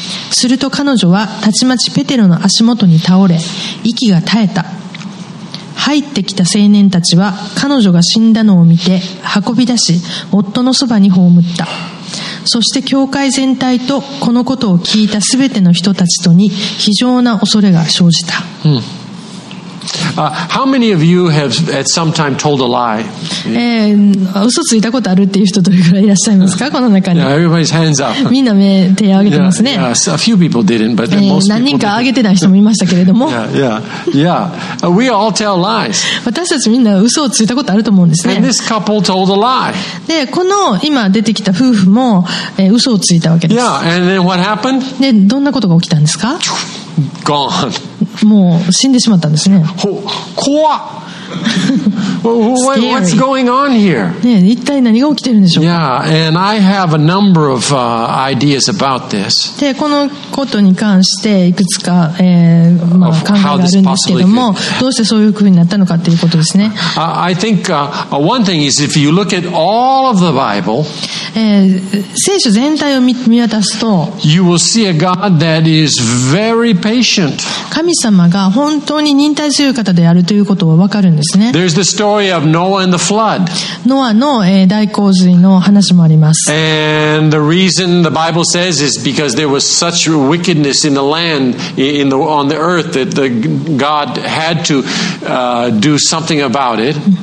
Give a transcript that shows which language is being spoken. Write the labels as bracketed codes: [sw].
[ja] すると彼女はたちまちペテロの足元に倒れ息が絶えた。入ってきた青年たちは彼女が死んだのを見て運び出し夫のそばに葬った。そして教会全体とこのことを聞いたすべての人たちとに非常な恐れが生じた。 [en] うん、how many of you have at some time told a lie? [ja] 嘘ついたことあるっていう人どれくらいいらっしゃいますか、この中に。 [en] Yeah, everybody's hands up. [ja] みんな目手を挙げてますね。 [en] Yeah, yeah. A few people didn't, but most people [ja] 何人か挙げてない人もいましたけれども。 [en] Yeah, yeah. We all tell lies. [ja] 私たちみんな嘘をついたことあると思うんですね。 [en] And this couple told a lie. [ja] で、この今出てきた夫婦も、嘘をついたわけです。 [en] Yeah, and then what happened? [ja] で、どんなことが起きたんですか？ [en] Gone. [ja] もう死んでしまったんですね。 [en] 怖What's going on here? [ja] ね、一体何が起きてるんでしょうか。 [en] Yeah, and I have a number of ideas about this. [ja] で、このことに関していくつか、まあ、考えがあるんですけども、どうしてそういうふうになったのかということですね。 [en] I think one thing is if you look at all of the Bible, [ja] 聖書全体を 見渡すと、 [en] you will see a God that is very patient. [ja] 神様が本当に忍耐強い方であるということは分かるんですね。 [en] There's the story of Noah and the flood. [ja] ノアの、大洪水の話もあります。 [en] And the reason the Bible says is because there was such wickedness in the land, on the earth, that God had to do something about it.